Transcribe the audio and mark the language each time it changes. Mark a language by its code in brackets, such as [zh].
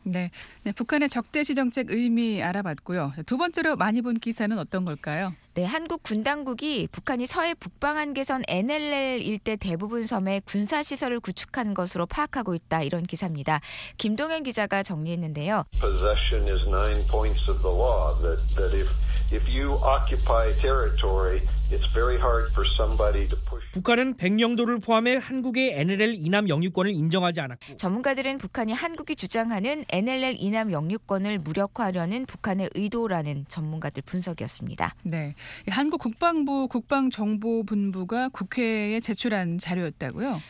[ko] 네, 네 북한의 적대시 정책 의미 알아봤고요. 두 번째로 많이 본 기사는 어떤 걸까요? 네, 한국 군당국이 북한이 서해 북방한계선 NLL 일대 대부분 섬에 군사시설을 구축한 것으로 파악하고 있다 이런 기사입니다. 김동현 기자가 정리했는데요. [en] Possession is nine points of the law that if you occupy territory, it's very hard for somebody to push. [ko] 북한은 백령도를 포함해 한국의 NLL 이남 영유권을 인정하지 않았고 전문가들은 북한이 한국이 주장하는 NLL 이남 영유권을 무력화하려는 북한의 의도라는 전문가들 분석이었습니다. 네. 한국 국방부 국방정보본부가 국회에 제출한 자료였다고요?